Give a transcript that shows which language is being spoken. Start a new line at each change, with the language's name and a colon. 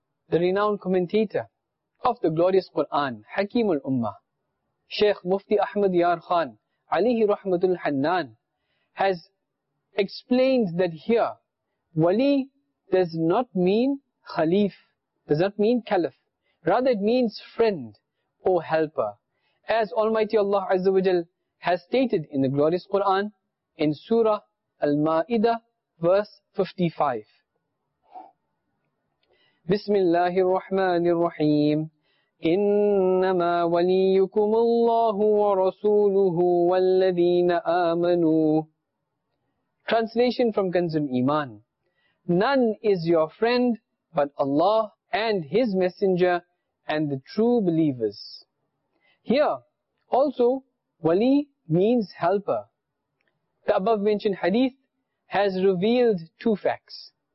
English: The renowned commentator of the glorious Quran, Hakim al-Ummah, Sheikh Mufti Ahmad Yar Khan, alayhi rahmatul Hannan, has explained that here, wali does not mean khalif, does not mean caliph. Rather it means friend or helper. As Almighty Allah Azza wa Jal has stated in the glorious Quran, in Surah Al-Ma'idah, verse 55.
Arabic: بسم الله الرحمن الرحيم إنما وليكم الله ورسوله والذين آمنوا.
English: Translation from Kanzul Iman. None is your friend but Allah and His Messenger and the true believers. Here also wali means helper. The above mentioned hadith has revealed two facts.